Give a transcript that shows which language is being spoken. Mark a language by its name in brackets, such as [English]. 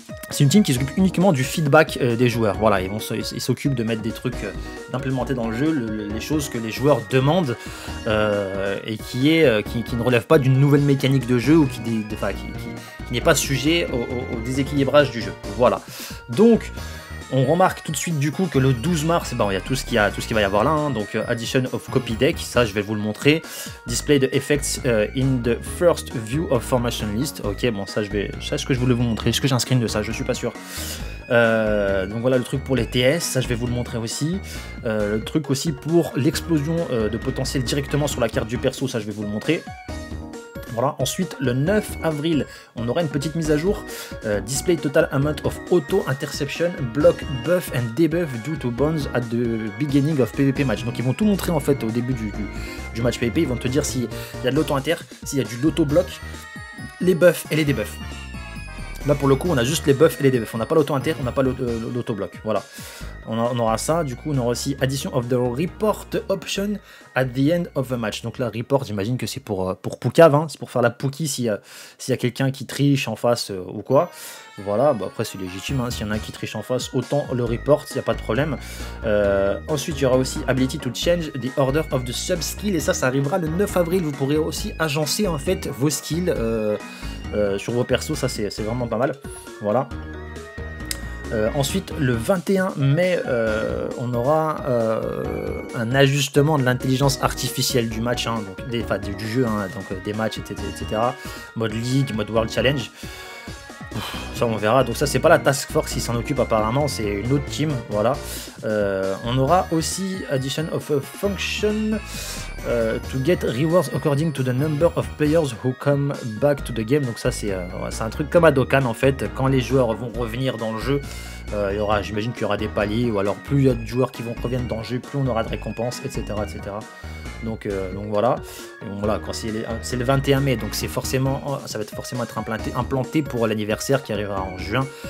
[French] C'est une team qui s'occupe uniquement du feedback des joueurs. Voilà, ils s'occupent de mettre des trucs, d'implémenter dans le jeu les choses que les joueurs demandent et qui ne relèvent pas d'une nouvelle mécanique de jeu ou qui n'est pas sujet au déséquilibrage du jeu. Voilà. Donc, On remarque tout de suite du coup que le 12 mars, bon, il y a tout ce qu'il y a, tout ce qui va y avoir là, hein, donc [English] Addition of Copy Deck, [French] ça je vais vous le montrer. [English] Display the effects in the first view of formation list. [French] Ok, bon, ça je vais. Ça, ce que je voulais vous montrer. Est-ce que j'ai un screen de ça? Je suis pas sûr. Donc voilà le truc pour les TS, ça je vais vous le montrer aussi. Le truc aussi pour l'explosion de potentiel directement sur la carte du perso, ça je vais vous le montrer. Voilà. Ensuite, le 9 avril, on aura une petite mise à jour. [English] Display total amount of auto-interception, block, buff and debuff due to bonds at the beginning of PvP match. [French] Donc ils vont tout montrer en fait au début du match PvP. Ils vont te dire s'il y a de l'auto-inter, s'il y a du auto-block, les buffs et les debuffs. Là pour le coup, on a juste les buffs et les debuffs. On n'a pas l'auto-inter, on n'a pas l'auto-block. Voilà. On aura ça, du coup on aura aussi [English] addition of the report option at the end of the match. [French] Donc là, report, j'imagine que c'est pour Poucave, hein. C'est pour faire la Pookie s'il y a quelqu'un qui triche en face ou quoi. Voilà, bah après c'est légitime, hein. S'il y en a un qui triche en face, autant le report, il n'y a pas de problème. Ensuite, il y aura aussi [English] ability to change the order of the sub skill, [French] et ça arrivera le 9 avril. Vous pourrez aussi agencer en fait vos skills sur vos persos, ça c'est vraiment pas mal. Voilà. Ensuite, le 21 mai, on aura un ajustement de l'intelligence artificielle du match, hein, donc du jeu, hein, donc des matchs, etc. Mode League, mode World Challenge. Ça on verra, donc ça c'est pas la task force qui s'en occupe apparemment, c'est une autre team, voilà. [English] On aura aussi addition of a function to get rewards according to the number of players who come back to the game. [French] Donc ça c'est un truc comme à Dokkan en fait, quand les joueurs vont revenir dans le jeu, j'imagine qu'il y aura des paliers, ou alors plus il y a de joueurs qui vont revenir dans le jeu, plus on aura de récompenses, etc. etc. Donc voilà, quand c'est le 21 mai, donc c'est forcément, ça va forcément être implanté pour l'anniversaire qui arrivera en juin.